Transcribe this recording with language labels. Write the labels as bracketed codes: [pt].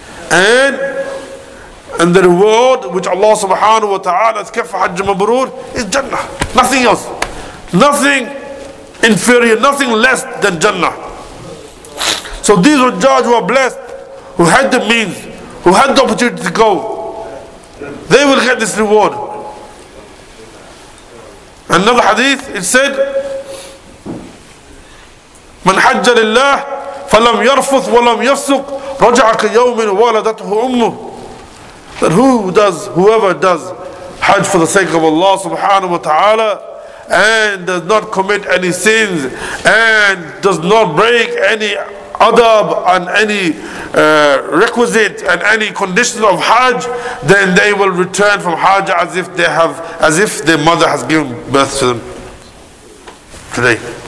[en] And the reward which Allah subhanahu wa ta'ala has kept for Hajj Mabrur is Jannah. Nothing else. Nothing inferior, nothing less than Jannah. So these Hujjaj who are blessed, who had the means, who had the opportunity to go, they will get this reward. Another hadith, it said, [ar] من حج لله فلم يرفث ولم يفسق رجع كيوم ولدته أمه. [en] That whoever does Hajj for the sake of Allah subhanahu wa ta'ala and does not commit any sins and does not break any adab and any requisite and any conditions of Hajj, then they will return from Hajj as if their mother has given birth to them today.